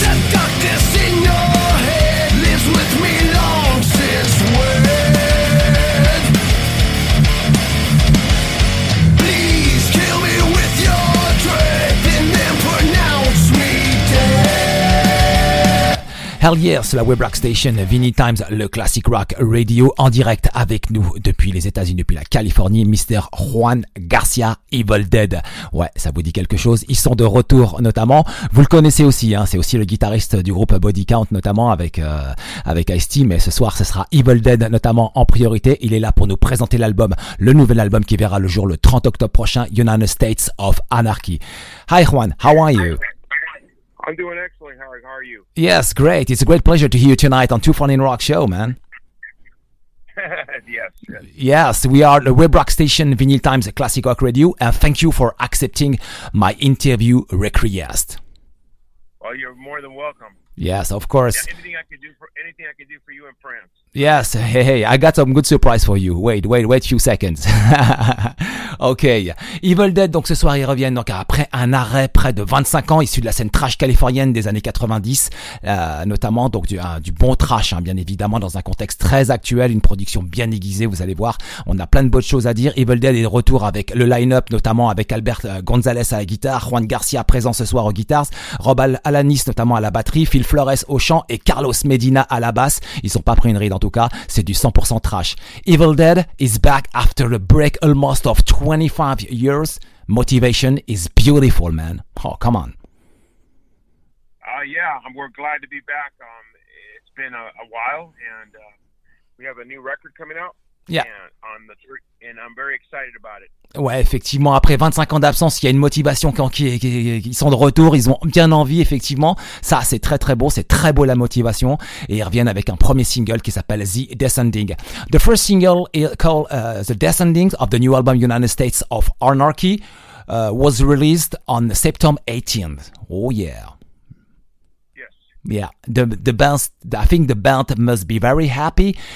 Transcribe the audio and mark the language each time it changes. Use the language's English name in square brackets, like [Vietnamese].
[English] The darkness in your head lives with me long since wed. Please kill me with your dread and then pronounce me dead. Hell yeah, [French] c'est la web rock station Vinnie Times, le classic rock radio en direct avec nous depuis les États-Unis, depuis la Californie, Mr. Juan Garcia, Evil Dead. Ouais, ça vous dit quelque chose. Ils sont de retour, notamment. Vous le connaissez aussi, hein. C'est aussi le guitariste du groupe Body Count, notamment avec Ice-T. Mais ce soir, ce sera Evil Dead, notamment en priorité. Il est là pour nous présenter l'album, le nouvel album qui verra le jour le 30 octobre prochain, United States of Anarchy. [English] Hi, Juan. How are you? I'm doing excellent, Harry. How are you? Yes, great. It's a great pleasure to hear you tonight on 240 Rock Show, man. Yes, we are the web rock station Vinyl Times Classic Rock Radio, and thank you for accepting my interview request. Well, you're more than welcome. Yes, of course. Yeah, anything I could do for you in France. Yes, hey, I got some good surprise for you. Wait a few seconds. Okay. [French] Evil Dead, donc ce soir ils reviennent, donc après un arrêt près de 25 ans, issu de la scène trash californienne des années 90, notamment donc du bon trash, hein, bien évidemment, dans un contexte très actuel, une production bien aiguisée, vous allez voir. On a plein de bonnes choses à dire. Evil Dead est de retour avec le line-up, notamment avec Albert Gonzalez à la guitare, Juan Garcia présent ce soir aux guitares, Rob Alanis notamment à la batterie, Phil Flores au chant et Carlos Medina à la basse. Ils n'ont pas pris une ride. En tout cas, c'est du 100% trash. [English] Evil Dead is back after a break almost of 25 years. Motivation is beautiful, man. Oh, come on. Yeah, we're glad to be back. It's been a while, and we have a new record coming out. Yeah. And I'm very excited about it. [French] Ouais, effectivement, après 25 ans d'absence, il y a une motivation quand ils sont de retour, ils ont bien envie, effectivement. Ça, c'est très très beau, c'est très beau la motivation. Et ils reviennent avec un premier single qui s'appelle The Descending. [English] The first single is called The Descending of the new album United States of Anarchy was released on September 18th. Oh yeah. Yeah, the band, I think the band must be very happy.